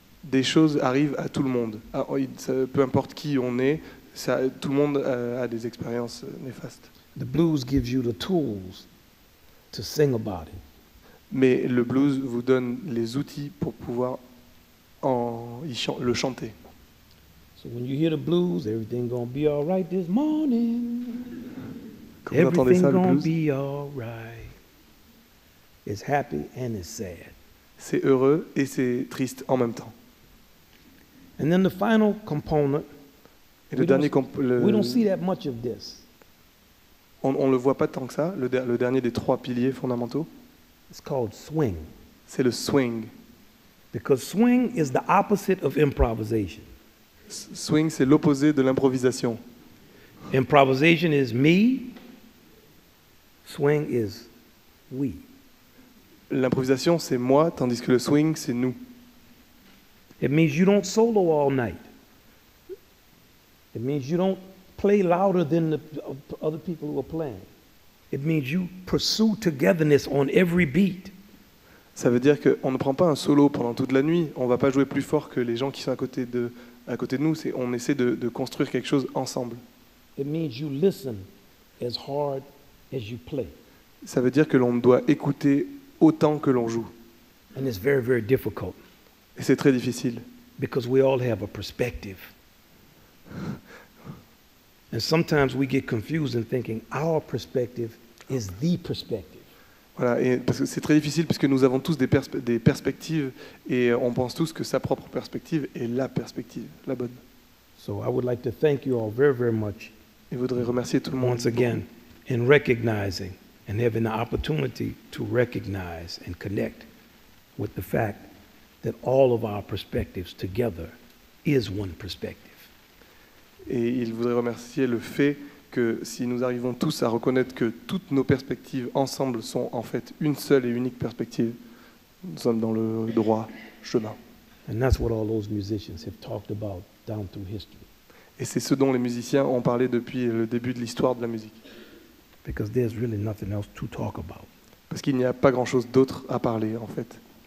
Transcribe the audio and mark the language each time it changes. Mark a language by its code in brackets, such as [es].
[fr] Des choses arrivent à tout le monde. Peu importe qui on est, tout le monde a des expériences néfastes. [en] The blues gives you the tools to sing about it. [fr] Mais le blues vous donne les outils pour pouvoir le chanter. [en] So when you hear the blues, everything's gonna be all right this morning. Everything's gonna be all right. It's happy and it's sad. [fr] C'est heureux et c'est triste en même temps. [en] And then the final component. [fr] Et le dernier component. [en] We don't see that much of this. [fr] On le voit pas tant que ça, le dernier des trois piliers fondamentaux. [en] It's called swing. [fr] C'est le swing. [en] Because swing is the opposite of improvisation. [fr] Swing, c'est l'opposé de l'improvisation. [en] Improvisation is me. Swing is we. [fr] L'improvisation, c'est moi, tandis que le swing, c'est nous. [en] It means you don't solo all night. It means you don't play louder than the other people who are playing. It means you pursue togetherness on every beat. [fr] Ça veut dire qu'on ne prend pas un solo pendant toute la nuit. On ne va pas jouer plus fort que les gens qui sont à côté de nous. C'est, on essaie de construire quelque chose ensemble. [en] It means you listen as hard as you play. [fr] Ça veut dire que l'on doit écouter autant que l'on joue. [en] And it's very, very difficult. [fr] Et c'est très difficile. [en] Because we all have a perspective. And sometimes we get confused in thinking our perspective is the perspective. [fr] Voilà, et parce que c'est très difficile puisque nous avons tous des perspectives et on pense tous que sa propre perspective est la perspective, la bonne. [en] So I would like to thank you all very, very much. [fr] Je voudrais remercier tout le monde [en] once again in recognizing and having the opportunity to recognize and connect with the fact that all of our perspectives together is one perspective. [fr] Et il voudrait remercier le fait que si nous arrivons tous à reconnaître que toutes nos perspectives ensemble sont en fait une seule et unique perspective, nous sommes dans le droit chemin. [en] And that's what all those musicians have talked about down through history. [fr] Et c'est ce dont les musiciens ont parlé depuis le début de l'histoire de la musique. [en] Because there's really nothing else to talk about. [fr] Parce qu'il n'y a pas grand-chose d'autre à parler, en fait.